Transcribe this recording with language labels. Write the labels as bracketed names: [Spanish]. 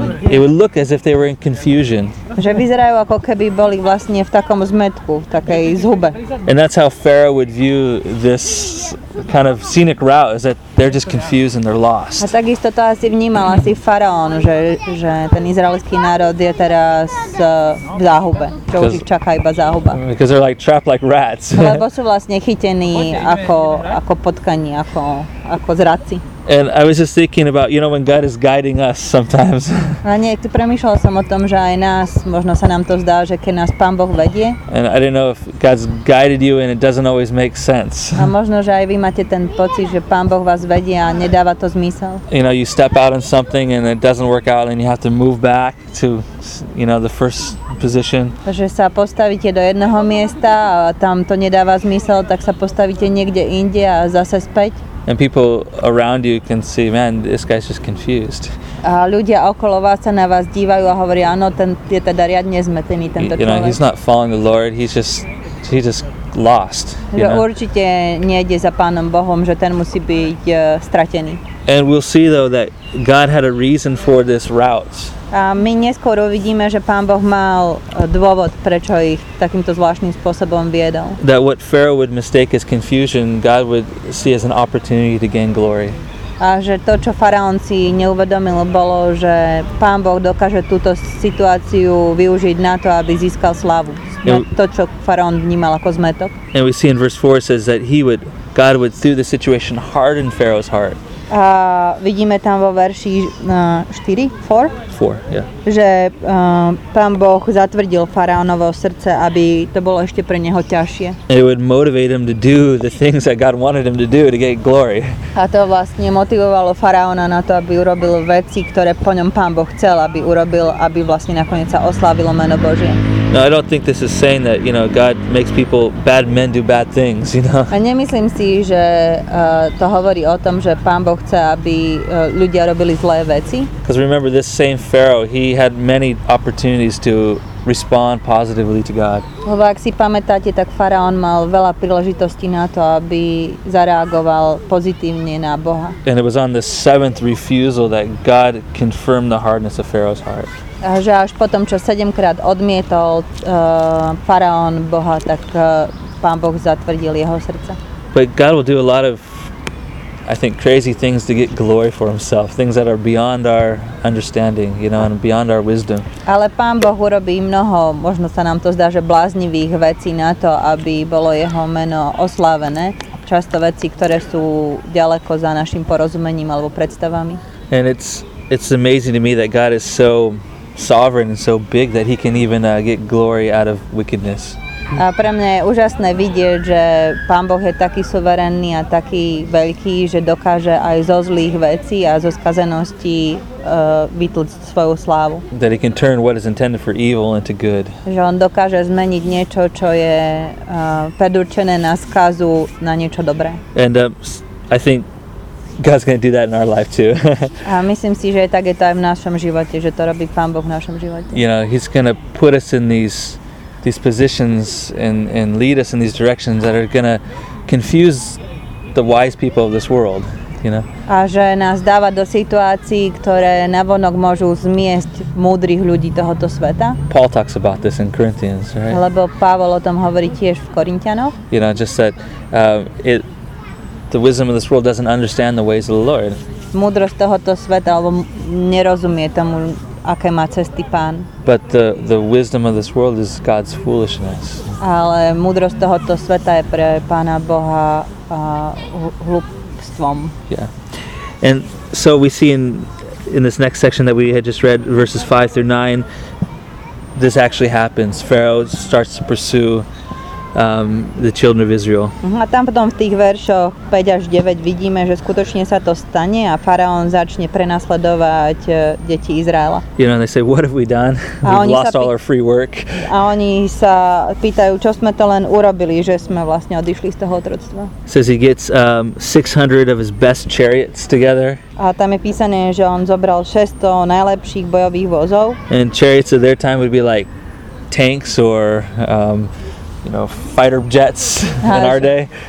[English] It would look as if they were in confusion. [Slovak] Že vyzerajú ako keby boli vlastne v takom zmetku, v takej zhube. [English] And that's how Pharaoh would view this kind of scenic route, is that they're just confused and they're lost. [Slovak] A takisto to asi vnímal asi faraón, že ten izraelský národ je teraz v záhube, čo už ich čaká iba záhuba. [English] Because they're like trapped like rats. [Slovak] Lebo sú vlastne chytení ako potkani, ako zradci. [English] And I was just thinking about, you know, when God is guiding us sometimes. [Slovak] A nie, tu premýšľal som o tom, že aj nás, možno sa nám to zdá, že keď nás Pán Boh vedie. [English] And I didn't know if God's guided you and it doesn't always make sense. [Slovak] A možno, že aj vy máte ten pocit, že Pán Boh vás vedie a nedáva to zmysel. [English] You know, you step out on something and it doesn't work out and you have to move back to, you know, the first position. [Slovak] Že sa postavíte do jedného miesta a tam to nedáva zmysel, tak sa postavíte niekde inde a zase späť. [English] And people around you can see, man, this guy's just confused. [Slovak] A ľudia okolo vás sa na vás dívajú a hovoria, áno, ten je teda riadne zmetený, tento človek. [English] You know, he's not following the Lord, he's just lost. [Slovak] Že určite nejde za Pánom Bohom, že ten musí byť stratený. [English] And we'll see, though, that God had a reason for this route. [Slovak] A my neskôr uvidíme, že Pán Boh mal dôvod, prečo ich takýmto zvláštnym spôsobom viedol. [English] That what Pharaoh would mistake as confusion, God would see as an opportunity to gain glory. [Slovak] A že to, čo faraón si neuvedomil, bolo, že Pán Boh dokáže túto situáciu využiť na to, aby získal slavu. Na to, čo faraón vnímal ako zmetok. [English] And we see in verse 4 says that God would through the situation harden Pharaoh's heart. [Slovak] A vidíme tam vo verši 4, yeah. Že Pán Boh zatvrdil faraónovo srdce, aby to bolo ešte pre neho ťažšie. [English] It would motivate him to do the things that God wanted him to do to get glory. [Slovak] A to vlastne motivovalo faraóna na to, aby urobil veci, ktoré po ňom Pán Boh chcel, aby urobil, aby vlastne nakoniec sa oslávilo meno Božie. [English] No, I don't think this is saying that, you know, God makes people bad men do bad things, you know. [Slovak] A nemyslím si, že to hovorí o tom, že Pán Boh chce, aby ľudia robili zlé veci. [English] Because remember, this same Pharaoh, he had many opportunities to respond positively to God. [Slovak] Lebo ak si pamätáte, tak faraón mal veľa príležitostí na to, aby zareagoval pozitívne na Boha. [English] And it was on the seventh refusal that God confirmed the hardness of Pharaoh's heart. [Slovak] A že až potom, čo sedemkrát odmietol faraón Boha, tak Pán Boh zatvrdil jeho srdce. [English] But God will do a lot of, I think, crazy things to get glory for himself, things that are beyond our understanding, you know, and beyond our wisdom. [Slovak] Ale Pán Boh urobí mnoho, možno sa nám to zdá, že bláznivých vecí na to, aby bolo jeho meno oslávené. Často veci, ktoré sú ďaleko za našim porozumením alebo predstavami. [English] And it's amazing to me that God is so sovereign and so big that he can even get glory out of wickedness. [Slovak] A pre mňa je úžasné vidieť, že Pán Boh je taký suverénny a taký veľký, že dokáže aj zo zlých vecí a zo skazeností vytlcť svoju slávu. [English] That he can turn what is intended for evil into good. [Slovak] Že on dokáže zmeniť niečo, čo je predurčené na skazu, na niečo dobré. [English] And I think God's going to do that in our life too. [Slovak] A myslím si, že tak je to aj v našom živote, že to robí Pán Boh v našom živote. [English] You know, he's going to put us in these positions and lead us in these directions that are going to confuse the wise people of this world, you know. [Slovak] A že nás dáva do situácií, ktoré navonok môžu zmiesť múdrych ľudí tohoto sveta. [English] Paul talks about this in Corinthians, right? [Slovak] Lebo Pavol o tom hovorí tiež v Korintianoch. [English] You know, just that the wisdom of this world doesn't understand the ways of the Lord. [Slovak] Múdrosť tohoto sveta alebo nerozumie tomu, aké má cesty Pán. [English] But the wisdom of this world is God's foolishness. [Slovak] Ale múdrosť tohoto sveta je pre Pána Boha hlúpstvom. Yeah. [English] And so we see in this next section that we had just read, verses 5 through 9, this actually happens. Pharaoh starts to pursue the children of Israel. [Slovak] A tam potom v tých veršoch 5 až 9 vidíme, že skutočne sa to stane a faraón začne prenasledovať deti Izraela. [English] You know, they say, what have we done? We've lost all our free work. [Slovak] A oni sa pýtajú, čo sme to len urobili, že sme vlastne odišli z toho otroctva. [English] Says he gets 600 of his best chariots together. [Slovak] A tam je písané, že on zobral 600 najlepších bojových vozov. [English] And chariots of their time would be like tanks or you know, fighter jets in our day.